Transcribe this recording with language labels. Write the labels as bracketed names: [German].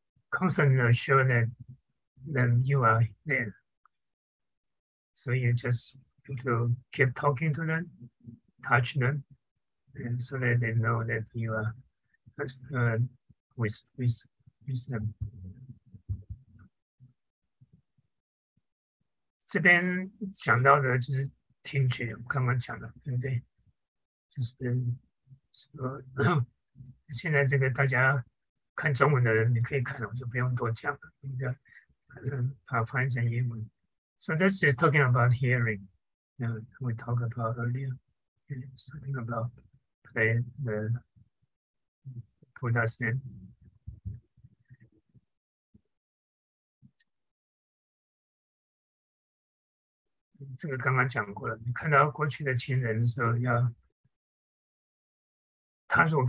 [English] Constantly assure that you are there. So you just to keep talking to them, touch them, and so that they know that you are with them. [Chinese] 这边讲到的就是听觉，我刚刚讲的，对不对？就是说，现在这个大家看中文的人，你可以看了，我就不用多讲了，你的把它翻译成英文。 [English] So this is talking about hearing. We talked about earlier, something about playing the Buddha's name. This is what I just talked about. You see past relatives, so you have to.